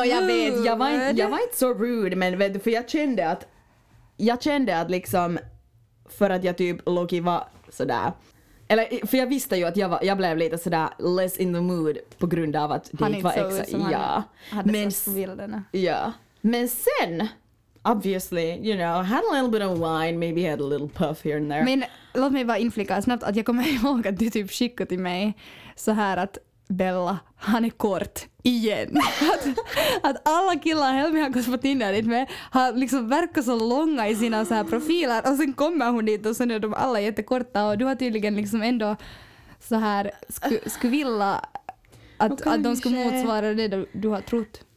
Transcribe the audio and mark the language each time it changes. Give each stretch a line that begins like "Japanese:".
Swedish: No, jag vet, jag var inte så rude, men vet du, för jag kände att liksom, för att jag typ Loki var så där. Eller för jag visste ju att jag blev lite så där less in the mood på grund av att det var extra. Ja. Men bilderna. Ja.
English: Men sen obviously, you know, had a little bit of wine, maybe had a little puff here and there.
Swedish: Men låt mig bara inflika snabbt att jag kommer ihåg att du typ skickade till mig så här att Bella, han är kort igen. Att alla killar Helmi har gått på Tinder dit med har liksom verkat så långa i sina så här profiler och sen kommer hon dit och sen är de alla jättekorta och du har tydligen liksom ändå så här skvilla att de ska motsvara det du har trott.